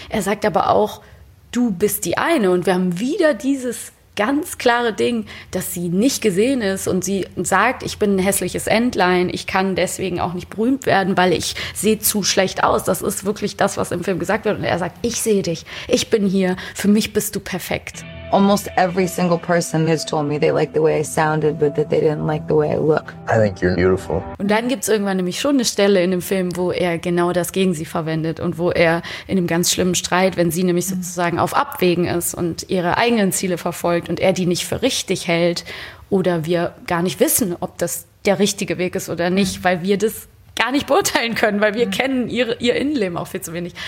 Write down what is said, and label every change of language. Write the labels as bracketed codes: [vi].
[de] Er sagt aber auch, du bist die eine und wir haben wieder dieses ganz klare Ding, dass sie nicht gesehen ist und sie sagt, ich bin ein hässliches Entlein, ich kann deswegen auch nicht berühmt werden, weil ich sehe zu schlecht aus. Das ist wirklich das, was im Film gesagt wird und er sagt, ich sehe dich, ich bin hier, für mich bist du perfekt. [en] Almost every single person has told me they like the way I sounded, but that they didn't like the way I look. I think you're beautiful. [de] Und dann gibt's irgendwann nämlich schon eine Stelle in dem Film, wo er genau das gegen sie verwendet und wo er in einem ganz schlimmen Streit, wenn sie nämlich sozusagen auf Abwägen ist und ihre eigenen Ziele verfolgt und er die nicht für richtig hält oder wir gar nicht wissen, ob das der richtige Weg ist oder nicht, weil wir das gar nicht beurteilen können, weil wir kennen ihr Innenleben auch viel zu wenig.